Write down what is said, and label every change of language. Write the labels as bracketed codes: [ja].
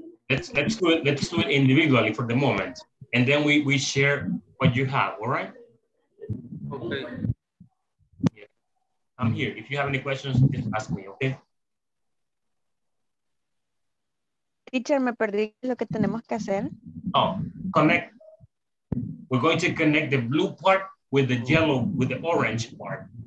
[en] Let's do it individually for the moment. And then we share what you have, all right? Okay. Yeah. I'm here. If you have any questions, just ask me, okay? [es] Teacher, me perdí lo que tenemos que hacer. [en] Oh, connect. We're going to connect the blue part with the yellow, with the orange part.